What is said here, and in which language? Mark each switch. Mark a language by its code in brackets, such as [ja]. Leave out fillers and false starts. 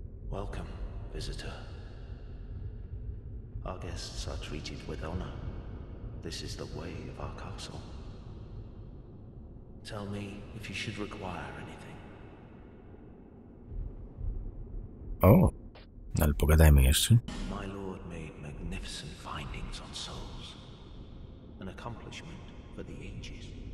[en] Welcome. Visitor. Our guests are treated with honor. This is the way of our castle. Tell me if you should require anything. [pl] Oh, ale pogadajmy jeszcze. [en] My lord made magnificent findings on souls. An accomplishment for the ages.